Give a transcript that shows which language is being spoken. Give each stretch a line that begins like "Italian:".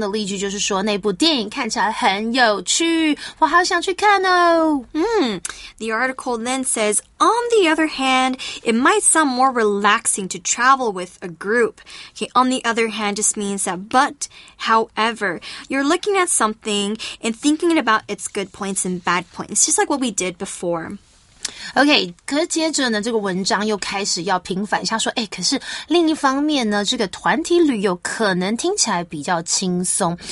Chinese: 的例句就是说那部电影看起来很有趣，我好想去看哦。
English: The article then says, on the other hand, it might sound more relaxing to travel with a group. Okay, on the other hand just means that but, however, you're looking at something and thinking about its good points and bad points, just like what we did before.
Chinese: OK, 可是接着呢这个文章又开始要平反一下说诶可是另一方面呢这个团体旅游可能听起来比较轻松。